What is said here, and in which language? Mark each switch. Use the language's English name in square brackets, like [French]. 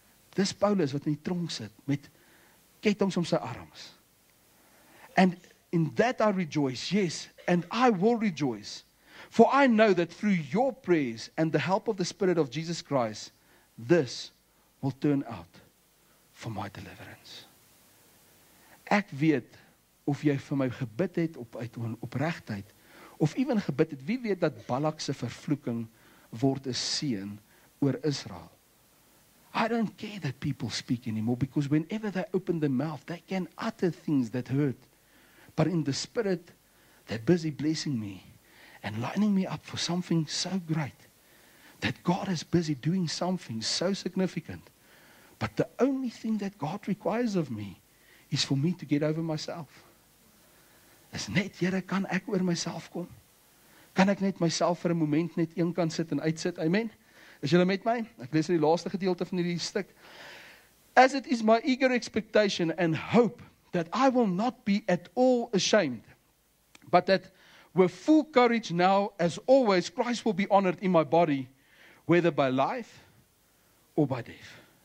[Afrikaans] Dis Paulus wat in die tronk sit, met ketings om sy arms. [English] And in that I rejoice, yes, and I will rejoice, for I know that through your prayers and the help of the Spirit of Jesus Christ, this will turn out for my deliverance. [Afrikaans] Ek weet of jy vir my gebid het uit opregtheid, of even gebid het, wie weet dat Balak se vervloeking word 'n seën oor Israel. [English] I don't care that people speak anymore, because whenever they open their mouth, they can utter things that hurt. But in the spirit, they're busy blessing me and lining me up for something so great that God is busy doing something so significant. But the only thing that God requires of me is for me to get over myself. [Afrikaans] Is net, Here, kan ek oor myself kom? Kan ek net myself vir 'n moment net een kant sit en uitsit? Amen. Is julle met my? Ek lees in die laaste gedeelte van hierdie stuk. [English] As it is my eager expectation and hope that I will not be at all ashamed, but that with full courage now, as always, Christ will be honored in my body, whether by life or by death.